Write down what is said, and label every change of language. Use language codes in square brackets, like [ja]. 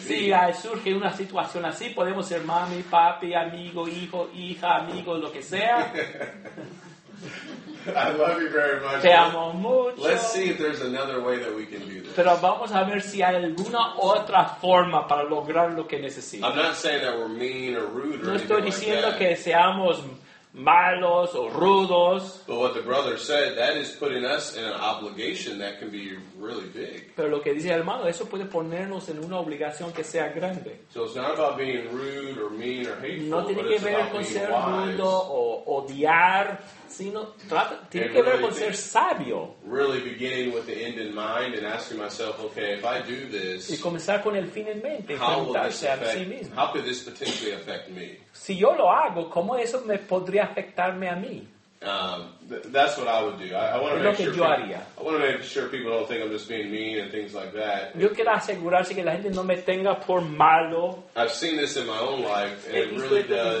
[es] Si surge una situación así, podemos ser mami, papi, amigo, hijo, hija, amigo, lo que sea. [en] I love you very much. [es] Te amo mucho. [en] Let's see if there's another way that we can do this. [es] Pero vamos a ver si hay alguna otra forma para lograr lo que necesito. [en] I'm not saying that we're mean or rude or anything. [es] No estoy diciendo que seamos malos o rudos. [en] But what the brother said, that is putting us in an obligation that can be really big. [es] Pero lo que dice el hermano, eso puede ponernos en una obligación que sea grande. [en] So it's not about being rude or mean or hateful. [es] No tiene que ver con ser rudo o odiar, sino tiene [en] and [es] que [en] really [es] ver con ser sabio. [en] Really beginning with the end in mind and asking myself, okay, if I do this, [es] y comenzar con el fin en mente, [en] how will this affect, [es] sí mismo. [en] How could this potentially affect me? [es] Si yo lo hago, ¿cómo eso me podría afectarme a mí? [en] That's what I would do. I want to make sure people don't think I'm just being mean and things like that. [es] Yo quiero asegurarse que la gente no me tenga por malo. [en] I've seen this in my own life, and it really does.